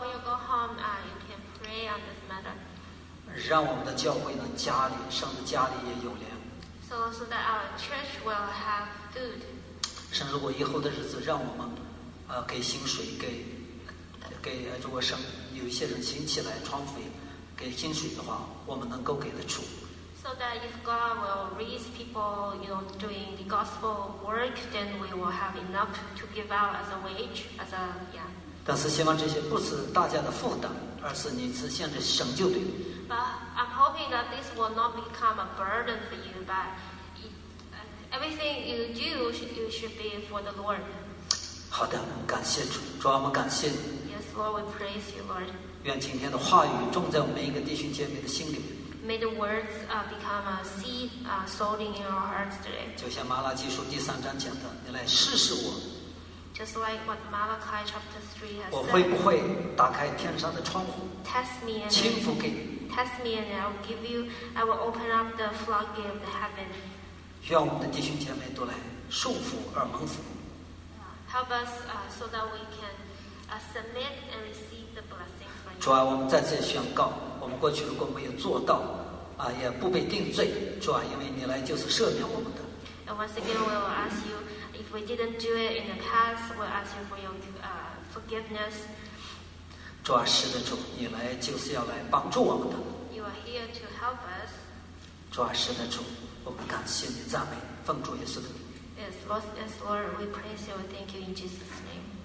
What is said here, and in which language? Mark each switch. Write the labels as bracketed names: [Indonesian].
[English] When you go home, you can pray on this matter. [Chinese] 让我们的教会呢，家里上的家里也有粮。 [English] So that our church will have food. [Chinese] 神如果以后的日子让我们，给薪水给如果神有一些人兴起来传福音，给薪水的话，我们能够给得出。 [English] So So that if God will raise people, you know, doing the gospel work, then we will have enough to give out as a wage, as a, yeah. [Chinese] 但是希望这些不是大家的负担，而是你实现的成就对。 [English] I'm hoping that this will not become a burden for you, but everything you do, you should be for the Lord. [Chinese] 好的，感谢主，主啊，我们感谢你。 [English] Yes, Lord, we praise you, Lord. [Chinese] 愿今天的话语种在我们每一个弟兄姐妹的心里。 [English] May the words become a seed sown in our hearts today. [Chinese] 就像马拉基书第三章讲的，你来试试我。 [English] Just like what Malachi chapter 3 has said. [Chinese] 我会不会打开天上的窗户？ [English] Test me and [Chinese] 倾覆给你。 [English] Test me and I will give you. I will open up the floodgate of the heaven. [Chinese] 愿我们的弟兄姐妹都来受服而蒙福。 [English] Help us so that we can submit and receive the blessing from you. [Chinese] 主啊，我们再次宣告，我们过去如果没有做到，啊，也不被定罪。主啊，因为你来就是赦免我们的。 [English] And once again, we will ask you if we didn't do it in the past. We will ask you for your forgiveness. [Chinese] 主啊，是的，主，你来就是要来帮助我们的。 [English] You are here to help us. [Chinese] 主啊，是的，主，我们感谢你，赞美，奉主耶稣的名。 [English] Yes, Lord, we praise you. Thank you in Jesus' name.